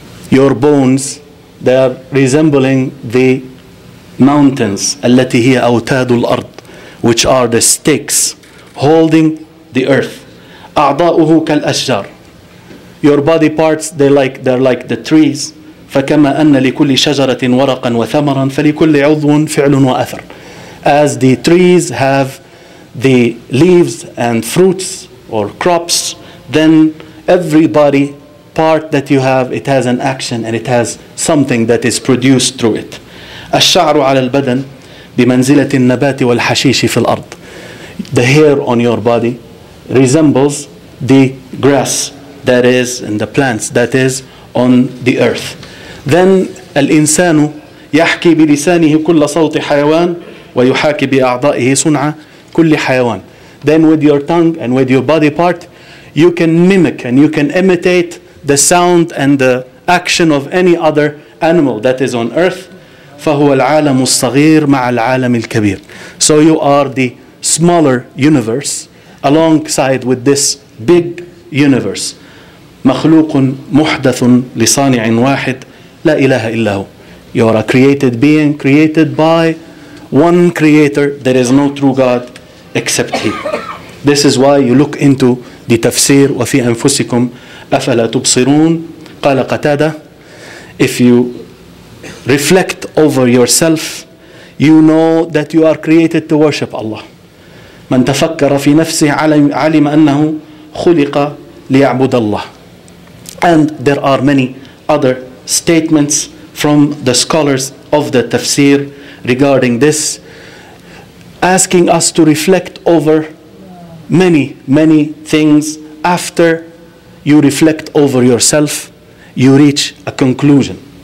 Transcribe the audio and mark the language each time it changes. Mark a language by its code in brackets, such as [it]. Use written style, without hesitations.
[en] Your bones, they are resembling the mountains [ar] التي هي أوتاد الأرض, [en] which are the sticks holding the earth. [ar] أعضاؤه كالأشجار. [en] Your body parts, they're like the trees. [ar] فكما أن لكل شجرة ورقا وثمرا فلكل عضو فعل وأثر. [en] As the trees have the leaves and fruits or crops, then every body part that you have, it has an action and it has something that is produced through it. [ar] الشعر على البدن بمنزلة النبات والحشيش في الأرض. [en] The hair on your body resembles the grass that is and the plants that is on the earth. [ar] Then الإنسان يحكي بلسانه كل صوت حيوان ويحاكي بأعضائه صنع كل حيوان. [en] Then with your tongue and with your body part, you can mimic and you can imitate the sound and the action of any other animal that is on earth. [ar] فهو العالم الصغير مع العالم الكبير. [en] So you are the smaller universe alongside with this big universe. [ar] مخلوق محدث لصانع واحد لا إله إلا هو. [en] You are a created being created by one creator. There is no true God except He. This is why you look into the tafsir [ar] وفي أنفسكم أفلا تبصرون. قال قتادة, [en] if you reflect over yourself, You know that you are created to worship Allah. [ar] من تفكر في نفسه علم أنه خلق ليعبد الله. [en] And there are many other statements from the scholars of the tafsir regarding this, asking us to reflect over many, many things. After you reflect over yourself, you reach a conclusion.